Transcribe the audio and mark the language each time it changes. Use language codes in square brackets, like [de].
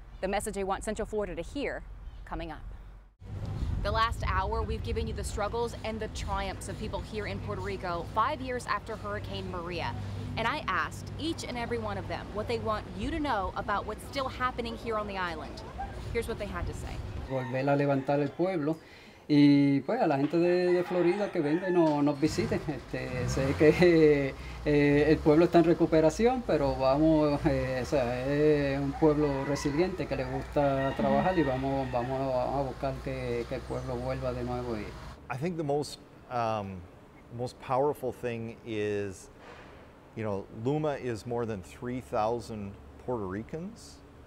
[en] The message they want Central Florida to hear coming up. The last hour, we've given you the struggles and the triumphs of people here in Puerto Rico 5 years after Hurricane Maria. And I asked each and every one of them what they want you to know about what's still happening here on the island. Here's what they had to say. [es] Volver a levantar el pueblo y pues a la gente de Florida que venga y nos visite. Sé que el pueblo está en recuperación, pero vamos, o sea, es un pueblo resiliente que le gusta trabajar y vamos a buscar que el pueblo vuelva de nuevo. [en] I think the most powerful thing is, you know, Luma is more than 3,000 Puerto Ricans.